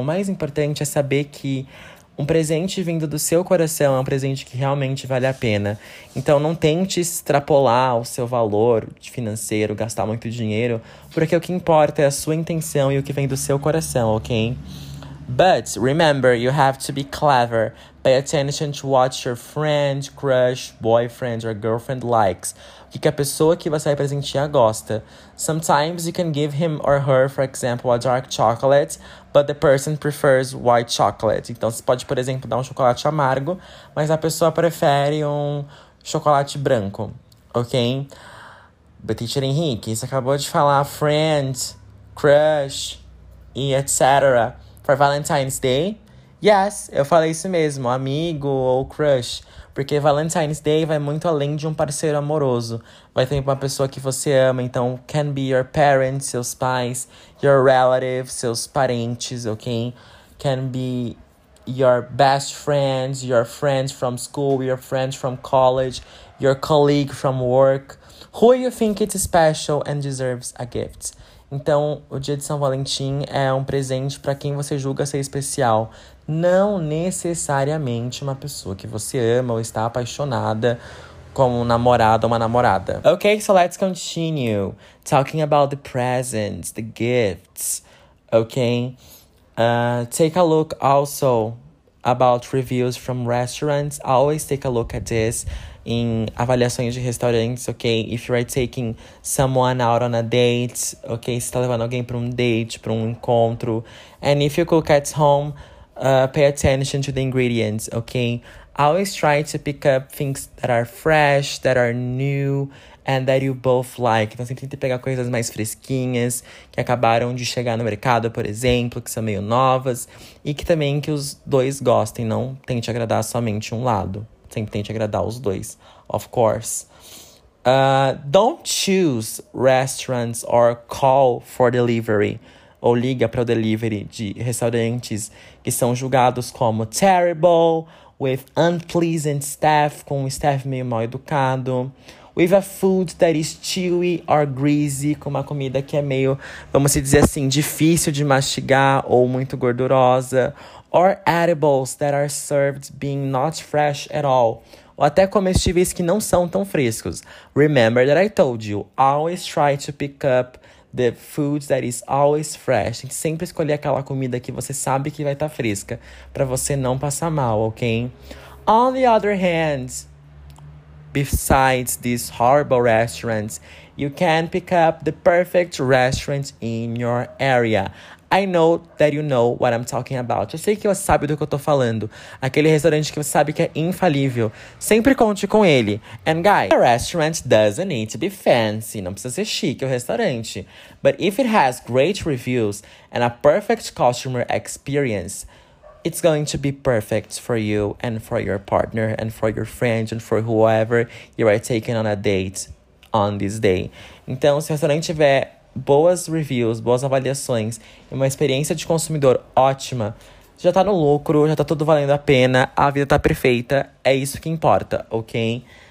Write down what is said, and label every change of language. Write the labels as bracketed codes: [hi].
[pt] O mais importante é saber que um presente vindo do seu coração é um presente que realmente vale a pena. Então, não tente extrapolar o seu valor financeiro, gastar muito dinheiro, porque o que importa é a sua intenção e o que vem do seu coração, ok? [en] But remember, you have to be clever. Pay attention to what your friend, crush, boyfriend, or girlfriend likes. [pt] O que a pessoa que você vai presentear gosta. [en] Sometimes you can give him or her, for example, a dark chocolate, but the person prefers white chocolate. [pt] Então, você pode, por exemplo, dar um chocolate amargo, mas a pessoa prefere um chocolate branco, ok? [en] But teacher [pt] Henrique, você acabou de falar friend, crush, e etc. [en] For Valentine's Day? Yes, [pt] eu falei isso mesmo, amigo ou crush. Porque Valentine's Day vai muito além de um parceiro amoroso. Vai ter uma pessoa que você ama, então [en] can be your parents, [pt] seus pais, [en] your relatives, [pt] seus parentes, ok? [en] Can be your best friends, your friends from school, your friends from college, your colleague from work. Who you think it's special and deserves a gift? [pt] Então, o dia de São Valentim é um presente para quem você julga ser especial. Não necessariamente uma pessoa que você ama ou está apaixonada como um namorado ou uma namorada. [en] Ok, so let's continue. Talking about the presents, the gifts, ok? Take a look also about reviews from restaurants. Always take a look at this. [pt] Em avaliações de restaurantes, ok? [en] If you are taking someone out on a date, ok? [pt] Se tá levando alguém pra um date, pra um encontro. [en] And if you cook at home, pay attention to the ingredients, ok? Always try to pick up things that are fresh, that are new, and that you both like. [pt] Então, sempre tenta pegar coisas mais fresquinhas, que acabaram de chegar no mercado, por exemplo, que são meio novas. E que também que os dois gostem, não tente agradar somente um lado. Sempre tente agradar os dois, [en] of course. Don't choose restaurants or call for delivery. [pt] Ou liga para o delivery de restaurantes que são julgados como [en] terrible, with unpleasant staff, [pt] com um staff meio mal educado. [en] With a food that is chewy or greasy, [pt] com uma comida que é meio, vamos dizer assim, difícil de mastigar ou muito gordurosa. [en] Or edibles that are served being not fresh at all. [pt] Ou até comestíveis que não são tão frescos. [en] Remember that I told you, always try to pick up the food that is always fresh. [pt] Tem que sempre escolher aquela comida que você sabe que vai estar fresca, pra você não passar mal, ok? [en] On the other hand, besides these horrible restaurants, you can pick up the perfect restaurant in your area. I know that you know what I'm talking about. [pt] Eu sei que você sabe do que eu tô falando. Aquele restaurante que você sabe que é infalível. Sempre conte com ele. [en] And guys, a restaurant doesn't need to be fancy. [pt] Não precisa ser chique o restaurante. [en] But if it has great reviews and a perfect customer experience, it's going to be perfect for you and for your partner and for your friend and for whoever you are taking on a date on this day. [pt] Então, se o restaurante tiver boas reviews, boas avaliações e uma experiência de consumidor ótima, já tá no lucro, já tá tudo valendo a pena, a vida tá perfeita, é isso que importa, ok?